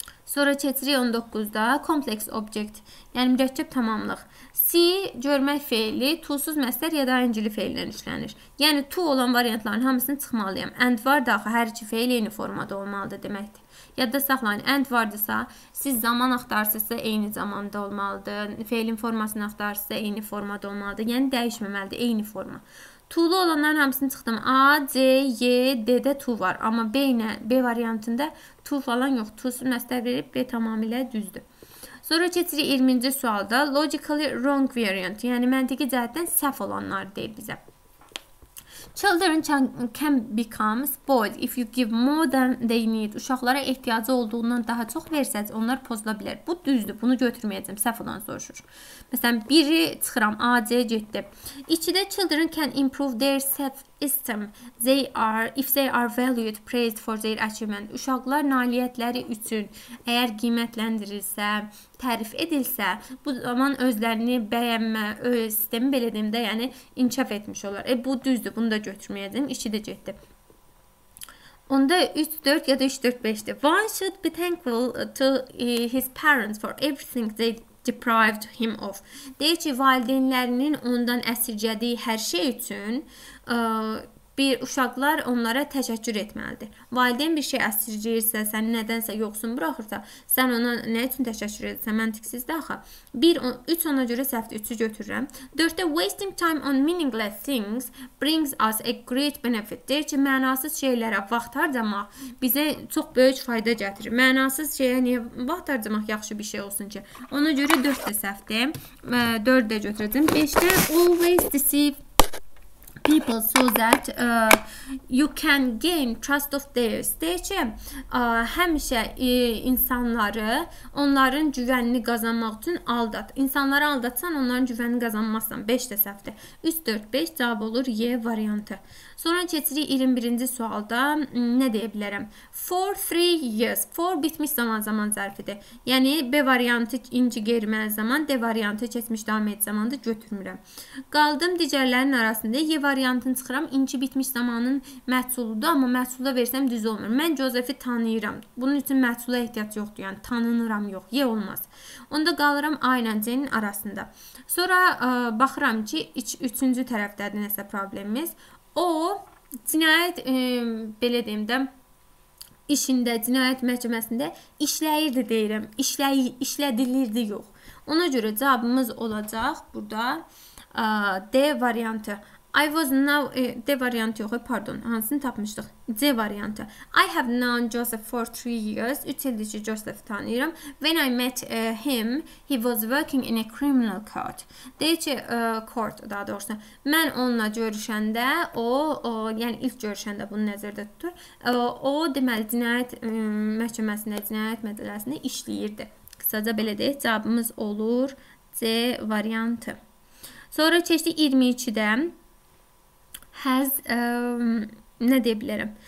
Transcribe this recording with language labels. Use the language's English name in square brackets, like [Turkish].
[Azerbaijani] Sonra çətiri 19-da kompleks object, yəni mürəkkəb tamamlıq. Si görmək feili, tulsuz məsdər ya da ayıncılı feillər işlənir. Yəni to olan variantların hamısını çıxmalıyam. And var da axı hər iki feil eyni formada olmalıdır deməkdir. Yadda saxlayın, and vardırsa, siz zaman axtarsınızsa eyni zamanda olmalıdır. Feilin formasını axtarsınızsa eyni formada olmalıdır. Yəni dəyişməməlidir, eyni forma. Tulu olanların hamısını çıxdım. A, C, Y, D-də tu var. Amma B ilə B variantında tu falan yox. Tusu məsdər verib B tamamilə düzdür. Sonra keçirik 20-ci sualda. [English] Logically wrong variant. [Azerbaijani] Yəni məntiqi cəhətdən səhv olanlar deyib bizə. [English] Children can become spoiled if you give more than they need. [Azerbaijani] Uşaqlara ehtiyacı olduğundan daha çox versəz, onlar pozula bilər. Bu düzdür, bunu götürməyəcəm, səhv olan soruşur. Məsələn, biri çıxıram, A, C getdi. [English] İçidə children can improve their self-esteem if they are valued, praised for their achievement. [Azerbaijani] Uşaqlar nailiyyətləri üçün əgər qiymətləndirilsə, tərif edilsə, bu zaman özlərini bəyənmə, öz sistemi belə deyim də, yəni inkişaf etmiş olar. Bu düzdür, bunu da götürməyəcəm, içi də getdi. Onda 3-4 ya da 3-4-5-dir. [English] One should be thankful to his parents for everything they deprived him of. [Azerbaijani] Deyir ki, valideynlərinin ondan əsirgədiyi hər şey üçün bir uşaqlar onlara təşəkkür etməlidir. Valideyn bir şey əsirgəyirsə, səni nədənsə yoxsun buraxırsa, sən ona nə üçün təşəkkür etsən, məntiqsizdir axı. 1-3 ona görə səhvdir, 3-ü götürürəm. [English] 4-də wasting time on meaningless things brings us a great benefit. [Azerbaijani] Deyir ki, mənasız şeylərə vaxt harcamaq bizə çox böyük fayda gətirir. Mənasız şeyə niyə vaxt harcamaq yaxşı bir şey olsun ki? Ona görə 4-də səhvdir. 4-də götürəcəm. [English] 5-də always deceive people so that you can gain trust of theirs. [Azerbaijani] Deyir ki, həmişə insanları, onların güvənini qazanmaq üçün aldat. İnsanları aldatsan, onların güvənini qazanmazsan. 5 də səhvdir. 3, 4, 5 cavab olur Y variantı. Sonra keçirik 21-ci sualda. Nə deyə bilərəm? [English] For 3 years. For [Azerbaijani] bitmiş zaman-zaman zərfidir. Yəni, B variantı inci qeyriməli zaman, D variantı keçmiş davam et zamanda götürmürəm. Qaldım digərlərin arasında. Y variantını çıxıram. İnci bitmiş zamanın məhsuludur, amma məhsulda versəm düz olmur. Mən Joseph'i tanıyıram. Bunun üçün məhsula ehtiyac yoxdur. Yəni, tanınıram yox. Y olmaz. Onda qalıram A ilə C-nin arasında. Sonra baxıram ki, 3-cü tərəfdədir nəsə problemimiz. O, cinayət, belə deyim də, işində, cinayət məhkəməsində işləyirdi deyirəm. İşlədilirdi yox. Ona görə cavabımız olacaq burada D variantı. [English] I was now, [Azerbaijani] D variantı yox, pardon, hansını tapmışdıq? C variantı. [English] I have known Joseph for 3 years. [Azerbaijani] 3 ildir ki Joseph tanıyıram. [English] When I met him, he was working in a criminal court. [Azerbaijani] Deyir ki, court daha doğrusu. Mən onunla görüşəndə, o yəni ilk görüşəndə bunu nəzərdə tutur. O, deməli, cinayət məhkəməsində, cinayət mədələsində işləyirdi. Qısaca belə deyək, cavabımız olur C variantı. Sonra keçdik 22-də. Nə deyə bilərəm?